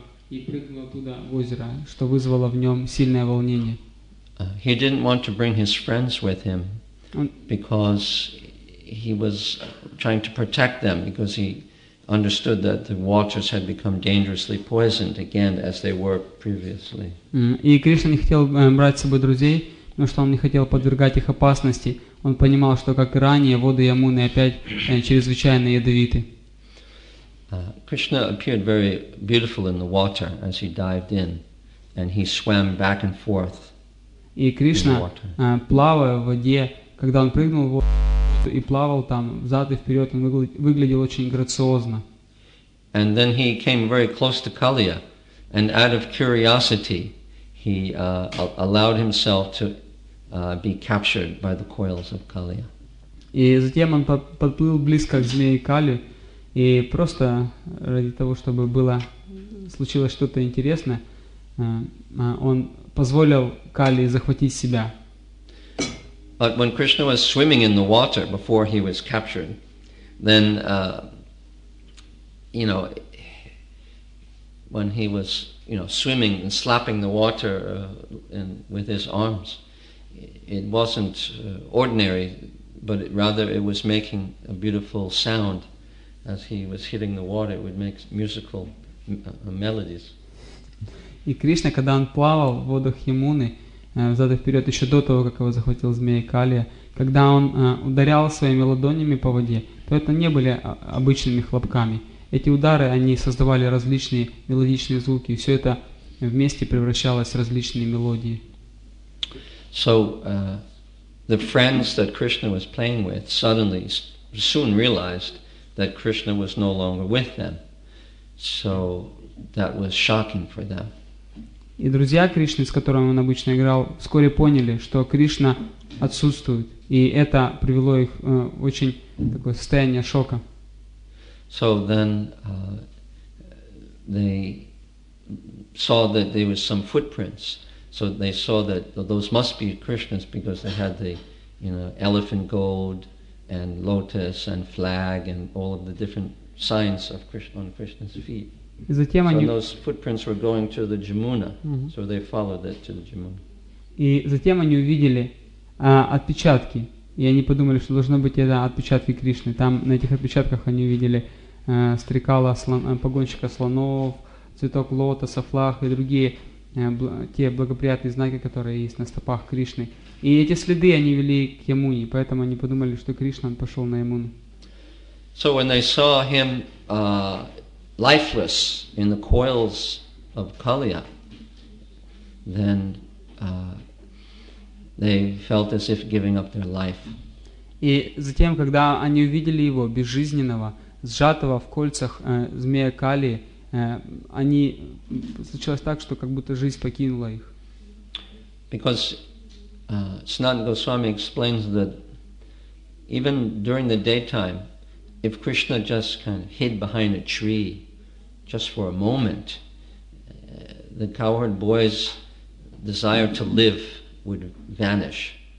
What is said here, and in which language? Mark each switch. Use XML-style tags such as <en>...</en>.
<ru>И прыгнул туда в озеро, что вызвало в нем сильное волнение.</ru> <en>He didn't want to bring his friends with him, because he was trying to protect them, because he understood that the waters had become dangerously poisoned again, as they were previously.</en> <ru>И Кришна не хотел брать с собой друзей, потому что он не хотел подвергать их опасности. Он понимал, что как и ранее, воды Ямуны опять чрезвычайно ядовиты.</ru> <en>Krishna appeared very beautiful in the water as he dived in, and he swam back and forth in the water.</en> <ru>И Кришна, плавая в воде, когда он прыгнул в воду и плавал там взад и вперед, он выглядел очень грациозно.</ru> <en>And then he came very close to Kaliya, and out of curiosity, he allowed himself to be captured by the coils of Kaliya.</en> <ru>И затем он подплыл близко к змее Кали. И просто ради того, чтобы было случилось что-то интересное, он позволил Кали захватить себя.</ru> <en>But when Krishna was swimming in the water before he was captured, then, you know, when he was, you know, swimming and slapping the water and with his arms, it wasn't ordinary, but rather it was making a beautiful sound as he was hitting the water. It would make musical melodies.</en> <ru>И Кришна, когда он плавал в водах Ямуны, взад и вперед, еще до того, как его захватил змей Калия, когда он ударял своими ладонями по воде, то это не были обычными хлопками. Эти удары, они создавали различные мелодичные звуки, и все это вместе превращалось в различные мелодии.</ru> <en>So, the friends that Krishna was playing with suddenly, soon realized that Krishna was no longer with them. So, that was shocking for them.</en> <ru>И друзья Кришны, с которыми он обычно играл, вскоре поняли, что Кришна отсутствует. И это привело их в очень такое состояние шока.</ru> <en>So then they saw that there was some footprints. So they saw that those must be Krishna's because they had the, you know, elephant gold and lotus and flag and all of the different signs of Krishna on Krishna's feet.</en> <ru>И затем они...</ru> <en>So those footprints were going to the Jamuna, so they followed it to the Jamuna.</en> <ru>И затем они увидели отпечатки, и они подумали, что должно быть это отпечатки Кришны. Там на этих отпечатках они увидели стрекала, погонщика слонов, цветок лотоса, флаг и другие те благоприятные знаки, которые есть на стопах Кришны. И эти следы они вели к Ямуне, поэтому они подумали, что Кришна пошел на Ямуну.</ru> <en>So when they saw him lifeless in the coils of Kaliya, then they felt as if giving up their life.</en> <ru>И затем, когда они увидели его безжизненного, сжатого в кольцах змея Кали, они случилось так, что как будто жизнь покинула их.</ru> <en>Because Sanatana Goswami explains that even during the daytime, if Krishna just kind of hid behind a tree just for a moment, the cowherd boy's desire to live would vanish.</en>